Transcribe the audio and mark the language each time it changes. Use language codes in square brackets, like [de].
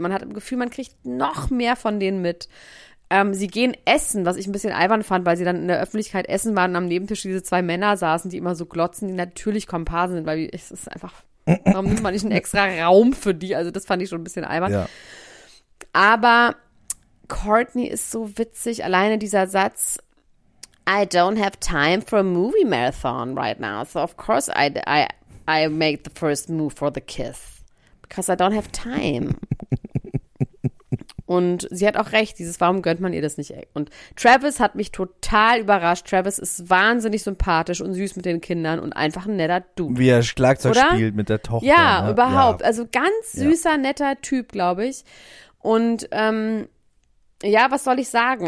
[de] Man hat im Gefühl, man kriegt noch mehr von denen mit. Sie gehen essen, was ich ein bisschen albern fand, weil sie dann in der Öffentlichkeit essen waren und am Nebentisch diese zwei Männer saßen, die immer so glotzen, die natürlich Komparsen sind, weil es ist einfach, warum nimmt man nicht einen extra Raum für die? Also das fand ich schon ein bisschen albern. Ja. Aber Courtney ist so witzig. Alleine dieser Satz, [en] I don't have time for a movie marathon right now. So of course I make the first move for the kiss. Because I don't have time. [de] Und sie hat auch recht, dieses, warum gönnt man ihr das nicht? Und Travis hat mich total überrascht. Travis ist wahnsinnig sympathisch und süß mit den Kindern und einfach ein netter Dude. Wie er Schlagzeug oder? Spielt mit der Tochter. Ja, ne? Überhaupt. Ja. Also ganz süßer, netter Typ, glaube ich. Und was soll ich sagen?